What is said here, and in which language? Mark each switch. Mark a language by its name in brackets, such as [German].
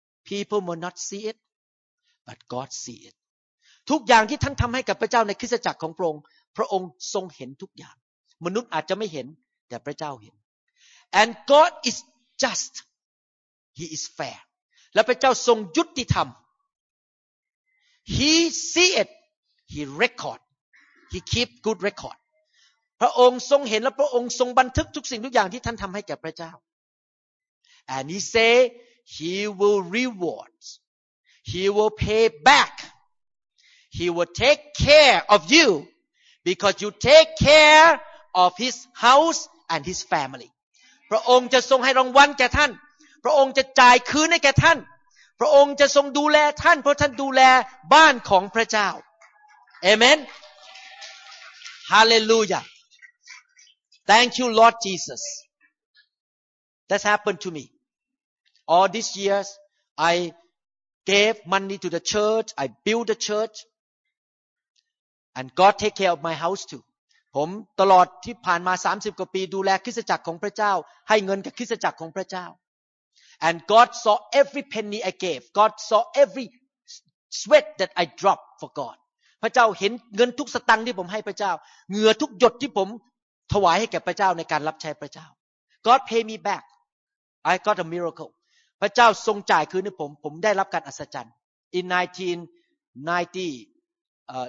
[English] people may not see it [Thai] but God see it ทุกอย่างที่ท่านทำให้กับพระเจ้าในคริสตจักรของพระองค์พระองค์ทรงเห็นทุกอย่างมนุษย์อาจจะไม่เห็นแต่พระเจ้าเห็น [English] and God is just he is fair [Thai] และพระเจ้าทรงยุติธรรม [English] He see it. He record. He keep good record. [Thai] พระองค์ทรงเห็นและพระองค์ทรงบันทึกทุกสิ่งทุกอย่างที่ท่านทำให้แก่พระเจ้า [English] And he say he will reward. He will pay back. He will take care of you because you take care of his house and his family. [Thai] พระองค์จะทรงให้รางวัลแก่ท่านพระองค์จะจ่ายคืนให้แก่ท่านพระองค์จะทรงดูแลท่านเพราะท่านดูแลบ้านของพระเจ้าเอเมนฮาเลลูยา [English] Thank you Lord Jesus That's happened to me All these years I gave money to the church [Thai] I built the church [English] and God take care of my house too [Thai] ผมตลอดที่ผ่านมา30กว่าปีดูแลคริสตจักรของพระเจ้าให้เงินกับคริสตจักรของพระเจ้า [English] And God saw every penny I gave. God saw every sweat that I dropped for God. [Thai] พระเจ้าเห็นเงินทุกสตังค์ที่ผมให้พระเจ้าเหงื่อทุกหยดที่ผมถวายให้แก่พระเจ้าในการรับใช้พระเจ้า [English] God pay me back. I got a miracle. [Thai] พระเจ้าทรงจ่ายคืนให้ผมผมได้รับการอัศจรรย์ [English] In 1990